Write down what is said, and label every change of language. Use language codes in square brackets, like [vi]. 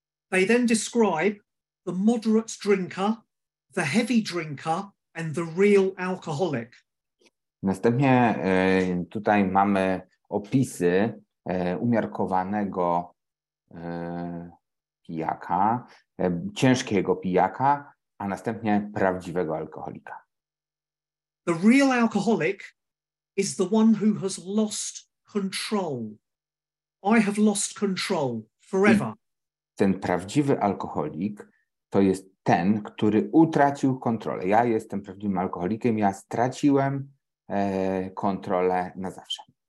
[en] They then describe the moderate drinker, the heavy drinker, and the real alcoholic. [pl] Następnie tutaj mamy opisy umiarkowanego pijaka, ciężkiego pijaka, a następnie prawdziwego alkoholika. [en] The real alcoholic is the one who has lost control. I have lost control forever. [pl] Ten prawdziwy alkoholik to jest ten, który utracił kontrolę. Ja jestem prawdziwym alkoholikiem, ja straciłem kontrolę na zawsze.